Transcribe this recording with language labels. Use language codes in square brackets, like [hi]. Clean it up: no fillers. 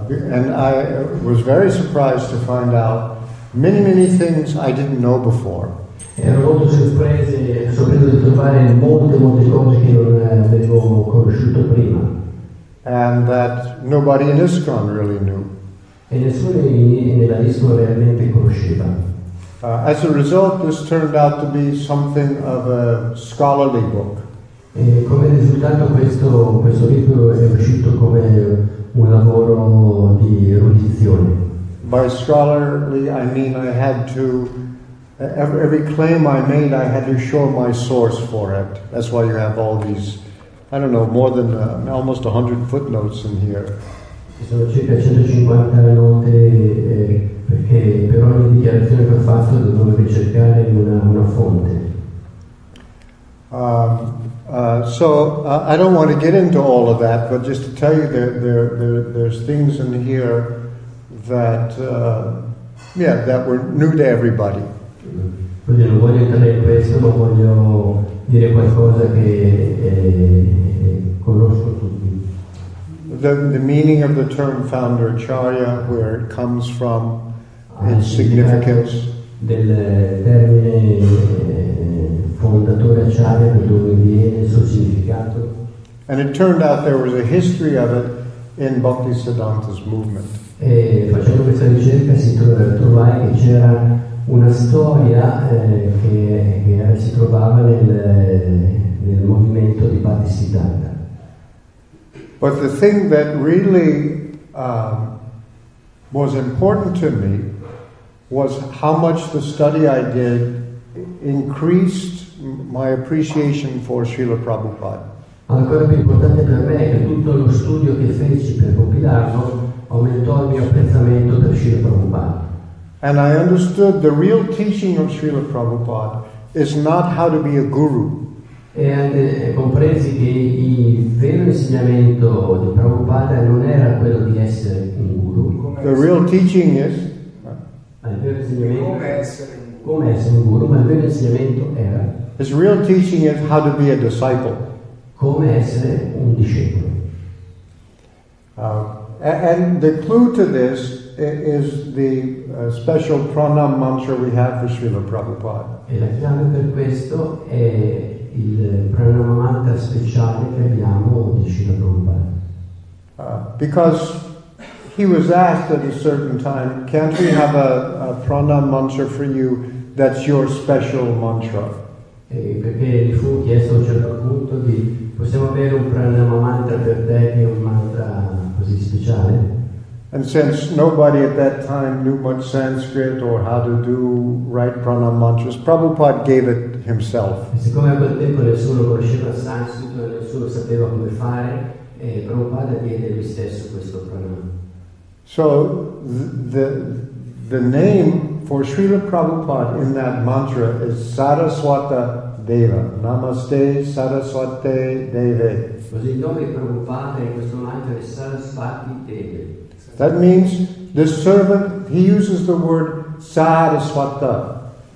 [en] And I was very surprised to find out many, many things I didn't know before. [it] Ero molto sorpreso, soprattutto di trovare molte, molte cose che non avevo conosciuto prima. [en] And that nobody in ISKCON really knew. [it] E nessuno nella ISKCON realmente conosceva. [en] As a result, this turned out to be something of a scholarly book. [it] E come risultato questo libro è uscito come un lavoro di erudizione. [en] By scholarly, I mean I had to. Every claim I made, I had to show my source for it. That's why you have all these, I don't know, more than almost 100 footnotes in here. [it] Ci sono circa 150 note, perché per ogni dichiarazione che ho fatto dovevo ricercare una fonte. [en] I don't want to get into all of that, but just to tell you there's things in here that that were new to everybody. [it] Quindi non voglio entrare in questo, ma voglio dire qualcosa che conosco tutti. [en] The meaning of the term founder acharya, where it comes from, its significance. [it] Del termine fondatore acharya, da dove viene, il suo significato. [en] And it turned out there was a history of it in Bhaktisiddhanta's movement. [it] E facendo questa ricerca si trovai che c'era una storia che si trovava nel movimento di Bhaktisiddhanta. [en] But the thing that really was important to me was how much the study I did increased my appreciation for Srila Prabhupada. [it] Ancora più importante per me è che tutto lo studio che feci per compilarlo aumentò il mio apprezzamento per Srila Prabhupada. [en] And I understood the real teaching of Srila Prabhupada is not how to be a guru. [it] And compresi che il vero insegnamento di Prabhupada non era quello di essere un guru. [en] The real teaching is [it] come essere un guru, ma il vero insegnamento era. [en] His real teaching is how to be a disciple. [it] Come essere un discepolo. [en] And the clue to this is the special pranam mantra we have for Srila Prabhupada. [it] E la chiave per questo è il pranam mantra speciale che abbiamo di Srila Prabhupada. [en] Because he was asked at a certain time, can't we have a pranam mantra for you that's your special mantra? [it] Perché gli fu chiesto a un certo punto di possiamo avere un pranam mantra per te che è un mantra così speciale? [en] And since nobody at that time knew much Sanskrit or how to do right pranam mantras, Prabhupada gave it himself. [it] Siccome a quel tempo nessuno conosceva Sanskrit, nessuno sapeva come fare, e Prabhupada diede lui stesso questo pranam. [en] So the name for Srila Prabhupada in that mantra is Saraswata Deva. [sa] Namaste Saraswate Deve. [it] Così il nome di Prabhupada in questo mantra è Saraswati Deve. [en] That means the servant, he uses the word Saraswata.